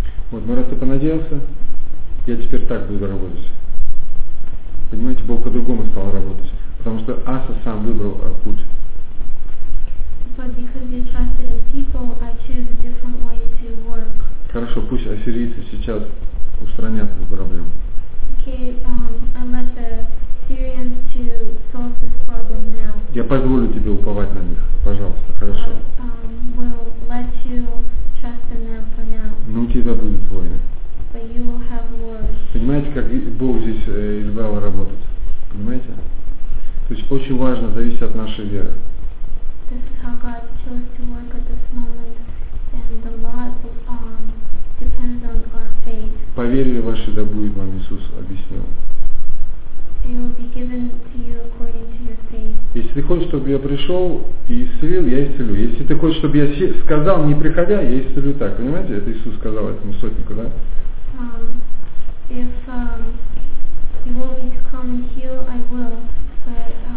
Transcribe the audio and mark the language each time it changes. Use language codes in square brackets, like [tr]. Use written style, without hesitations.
[ru] Вот, ну раз ты понадеялся, я теперь так буду работать. Понимаете, Бог по-другому стал работать, потому что Аса сам выбрал путь. [en] But because you trusted in people, I choose a different way to work. [ru] Хорошо, пусть ассирийцы сейчас устранят эту проблему. [en] Okay, I let the Syrians to solve this problem now. [ru] Я позволю тебе уповать на них, пожалуйста, хорошо. [en] We'll let you trust in them for now. [ru] Но у тебя будут войны. [en] But you will have war. [ru] Понимаете, как Бог здесь избрал работать? Понимаете? То есть очень важно зависеть от нашей веры. [en] This is how God chose to work at this moment, and a lot depends on our faith. [ru] Поверили ваши, да будет вам, Иисус объяснил. [en] It will be given to you according to your faith. [ru] Если ты хочешь, чтобы я пришел и исцелил, я исцелю. Если ты хочешь, чтобы я сказал, не приходя, я исцелю так. Понимаете, это Иисус сказал этому сотнику, да? [en] If you want me to come and heal, I will. But